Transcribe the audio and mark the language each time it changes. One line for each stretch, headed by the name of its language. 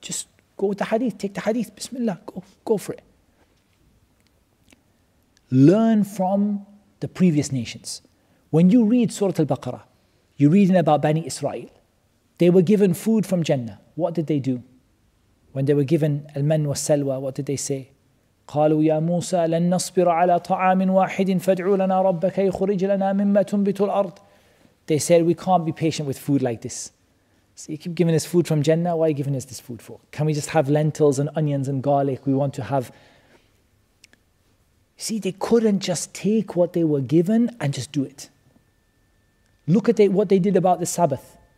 English: Just go with the hadith, take the hadith, bismillah, go for it. Learn from the previous nations. When you read Surah Al-Baqarah, you're reading about Bani Israel. They were given food from Jannah. What did they do? When they were given al-man wa salwa, what did they say?
Arabic: قالوا يا موسى لن نصبر على طعام واحد فادعوا لنا ربك يخرج لنا مما تنبت الأرض.
English: They said, we can't be patient with food like this. So you keep giving us food from Jannah, why are you giving us this food for? Can we just have lentils and onions and garlic? We want to have... See, they couldn't just take what they were given and just do it. Look at what they did about the Sabbath.